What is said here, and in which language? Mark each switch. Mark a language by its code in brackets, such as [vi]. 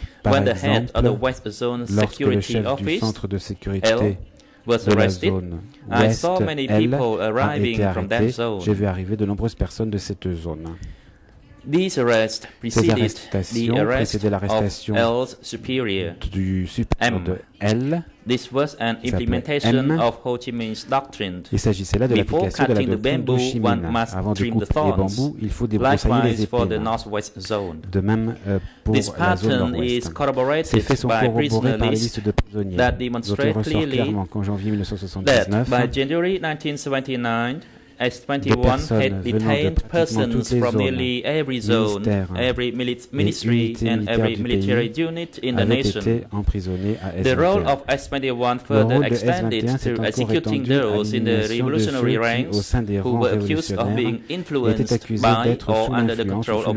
[en] when the head of the West Zone Security Office, L, was arrested, I saw many people arriving from that zone. J'ai vu arriver de nombreuses personnes de cette zone. These arrests preceded the arrest of L's superior, M. This was an implementation of Ho Chi Minh's doctrine. [fr] Il s'agissait là de l'application de la doctrine de Ho Chi Minh. Avant de couper les bambous, il faut débroussailler les épines. De même pour la zone nord-ouest. Ces faits sont corroborés par les listes de prisonniers. Ils ont été ressortis clairement qu'en janvier 1979, [en] S21 had detained persons from nearly every zone, every ministry, and every military unit in the nation. The role of S21 further extended to executing those in the revolutionary ranks who were accused of being influenced by or under the control of